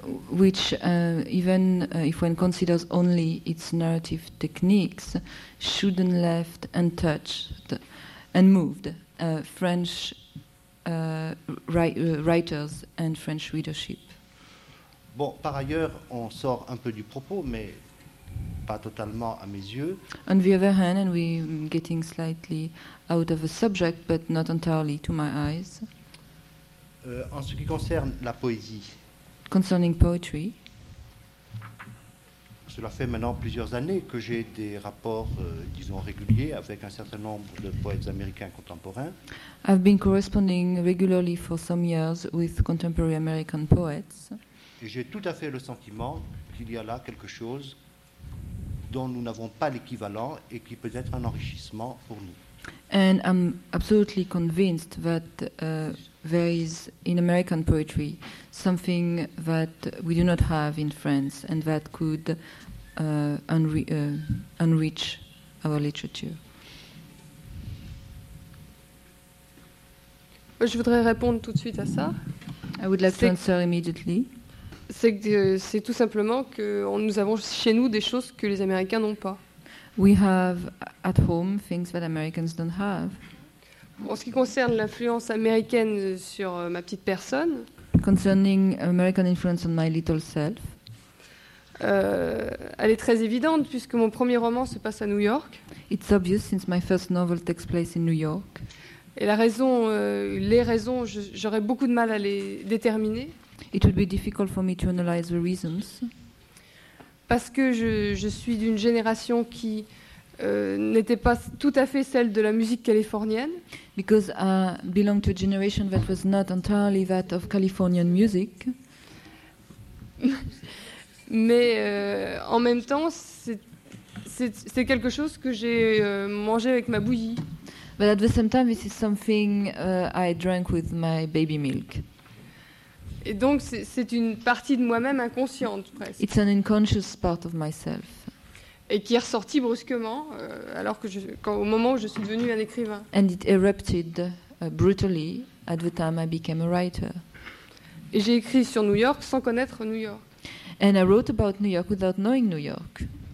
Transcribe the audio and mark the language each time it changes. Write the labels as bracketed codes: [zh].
[en] Which, even if one considers only its narrative techniques, shouldn't left untouched, unmoved French writers and French readership. [fr] Bon, par ailleurs, on sort un peu du propos, mais pas totalement à mes yeux. [en] On the other hand, and we're getting slightly out of the subject, but not entirely to my eyes. [fr] En ce qui concerne la poésie. [en] Concerning poetry. [fr] Cela fait maintenant plusieurs années que j'ai des rapports, disons, réguliers avec un certain nombre de poètes américains contemporains. [en] I've been corresponding regularly for some years with contemporary American poets. [fr] Et j'ai tout à fait le sentiment qu'il y a là quelque chose dont nous n'avons pas l'équivalent et qui peut être un enrichissement pour nous. [en] And I'm absolutely convinced that there is in American poetry something that we do not have in France and that could enrich our literature. [fr] Je voudrais répondre tout de suite à ça. [en] I would like to answer immediately. [fr] C'est tout simplement que nous avons chez nous des choses que les Américains n'ont pas. [en] We have at home things that Americans don't have. [fr] En ce qui concerne l'influence américaine sur ma petite personne. [en] Concerning American influence on my little self. [fr] Elle est très évidente puisque mon premier roman se passe à New York. [en] It's obvious since my first novel takes place in New York. [fr] Et la raison, les raisons, j'aurais beaucoup de mal à les déterminer. [en] It would be difficult for me to analyze the reasons. [fr] Parce que je suis d'une génération qui n'était pas tout à fait celle de la musique californienne. [en] Because I belong to a generation that was not entirely that of Californian music. [fr] Mais en même temps, c'est quelque chose que j'ai mangé avec ma bouillie. [en] But at the same time, this is something I drank with my baby milk. [fr] Et donc, c'est une partie de moi-même inconsciente, presque. [en] It's an unconscious part of myself. [fr] Et qui est ressorti brusquement, alors que au moment où je suis devenue un écrivain. [en] And it erupted brutally at the time I became a writer. [fr] Et j'ai écrit sur New York sans connaître New York. [en] And I wrote about New York without knowing New York.